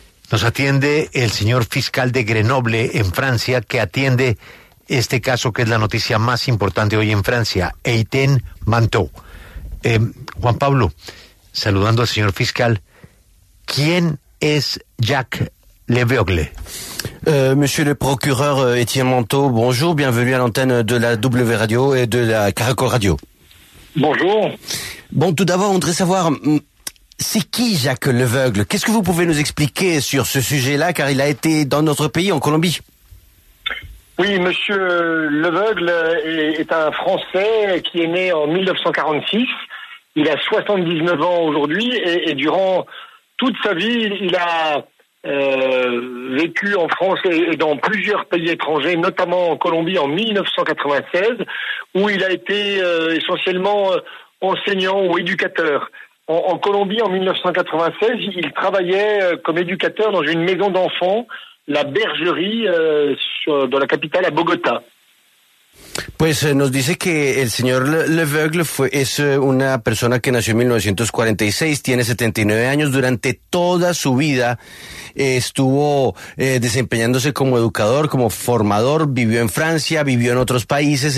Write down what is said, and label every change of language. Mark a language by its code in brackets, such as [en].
[es] Nos atiende el señor fiscal de Grenoble en Francia, que atiende este caso que es la noticia más importante hoy en Francia, Étienne Manteau. Juan Pablo, saludando al señor fiscal, ¿quién es Jacques Leveugle? [fr] Monsieur le procureur Étienne Manteau, bonjour, bienvenue à l'antenne de la W Radio et de la Caracol Radio. Bonjour. Bon, tout d'abord, on voudrait savoir, c'est qui Jacques Leveugle? Qu'est-ce que vous pouvez nous expliquer sur ce sujet-là, car il a été dans notre pays, en Colombie? Oui, monsieur Leveugle est un Français qui est né en 1946. Il a 79 ans aujourd'hui et durant toute sa vie, il a vécu en France et dans plusieurs pays étrangers, notamment en Colombie en 1996, où il a été essentiellement enseignant ou éducateur. En Colombie, en 1996, il travaillait comme éducateur dans une maison d'enfants, la Bergerie, dans la capitale, à Bogota. [es] Pues nos dice que el señor Leveugle es una persona que nació en 1946, tiene 79 años. Durante toda su vida estuvo desempeñándose como educador, como formador, vivió en Francia, vivió en otros países.